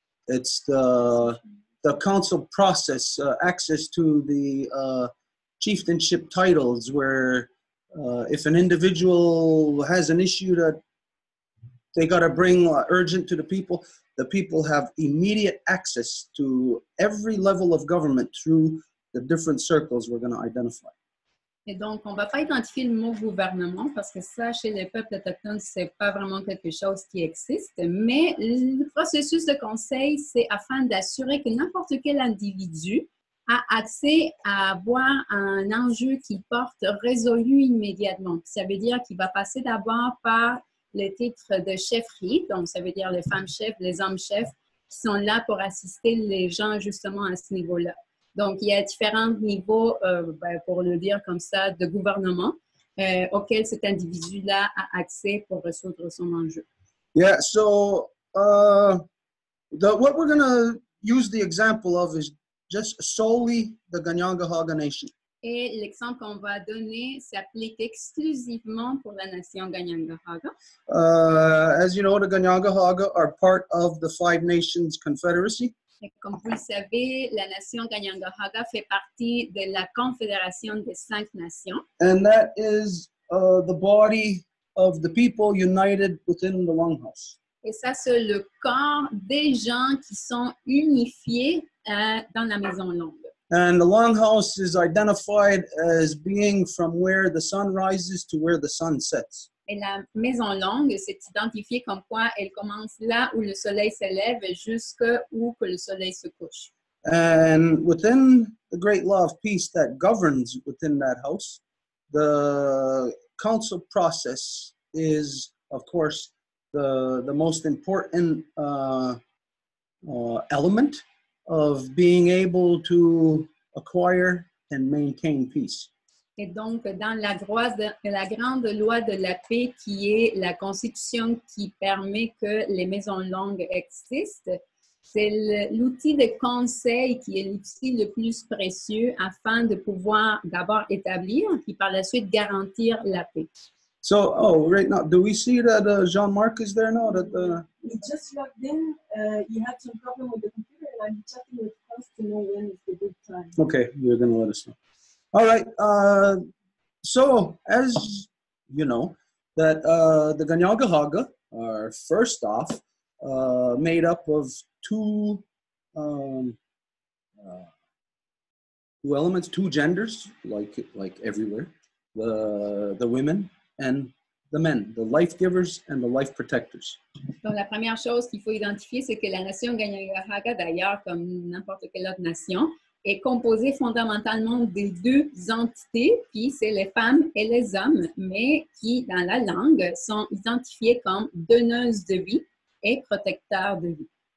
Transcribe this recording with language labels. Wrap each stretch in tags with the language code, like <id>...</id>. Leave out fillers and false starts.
<en>It's the council process, access to the chieftainship titles, where if an individual has an issue that they got to bring urgent to the people have immediate access to every level of government through the different circles we're going to identify.</en> <fr>Et donc, on ne va pas identifier le mot gouvernement parce que ça, chez les peuples autochtones, ce n'est pas vraiment quelque chose qui existe. Mais le processus de conseil, c'est afin d'assurer que n'importe quel individu a accès à avoir un enjeu qui porte résolu immédiatement. Ça veut dire qu'il va passer d'abord par le titre de chefferie, donc ça veut dire les femmes chefs, les hommes chefs qui sont là pour assister les gens justement à ce niveau-là. Donc, il y a différents niveaux, pour le dire comme ça, de gouvernement auquel cet individu-là a accès pour résoudre son enjeu.</fr> <en>Yeah, so what we're going to use the example of is just solely the Ganyangahaga Nation.</en> <fr>Et l'exemple qu'on va donner s'applique exclusivement pour la nation Ganyangahaga.</fr> <en>As you know, the Ganyangahaga are part of the Five Nations Confederacy.</en> <fr>Et comme vous le savez, la nation Ganyangahaga fait partie de la Confédération des Cinq Nations.</fr> <en>And that is the body of the people united within the Longhouse.</en> <fr>Et ça, c'est le corps des gens qui sont unifiés dans la Maison Longue.</fr> <en>And the Longhouse is identified as being from where the sun rises to where the sun sets.</en> <fr>Et la Maison Longue s'est identifiée comme quoi elle commence là où le soleil s'élève jusqu'à où que le soleil se couche.</fr> <en>And within the great law of peace that governs within that house, the council process is, of course, the most important element of being able to acquire and maintain peace.</en> <fr>Et donc, dans la grande loi de la paix qui est la constitution qui permet que les maisons longues existent, c'est l'outil de conseil qui est l'outil le plus précieux afin de pouvoir d'abord établir et par la suite garantir la paix.</fr> <en>So, oh, right now, do we see that Jean-Marc is there now? That, he just logged in. He had some problem with the computer and I'm checking with us to know when is the good time. Okay, you're going to let us know. All right, so as you know, that the Ganyangahaga are first off made up of two elements, two genders, like everywhere, the women and the men, the life givers and the life protectors.</en> <fr>Donc la première chose qu'il faut identifier, c'est que la nation Ganyangahaga, d'ailleurs, comme n'importe quelle autre nation, est composé fondamentalement des deux entités, puis c'est les femmes et les hommes, mais qui, dans la langue, sont identifiées comme donneuses de vie et protecteurs de vie.</fr>